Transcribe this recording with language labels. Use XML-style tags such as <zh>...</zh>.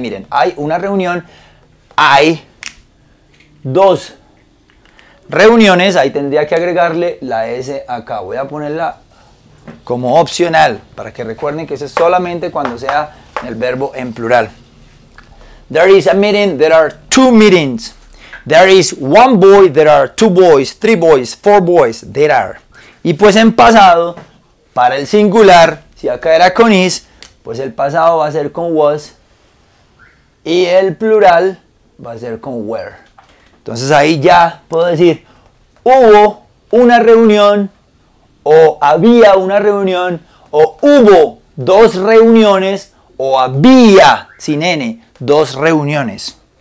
<es>Miren, hay una reunión, hay dos reuniones, ahí tendría que agregarle la S acá. Voy a ponerla como opcional, para que recuerden que eso es solamente cuando sea el verbo en plural.</es> <en>There is a meeting, there are two meetings. There is one boy, there are two boys, three boys, four boys, there are.</en> <es>Y pues en pasado, para el singular, si acá era con is, pues el pasado va a ser con was. Y el plural va a ser con were. Entonces ahí ya puedo decir, hubo una reunión, o había una reunión, o hubo dos reuniones, o había, sin n, dos reuniones.</es>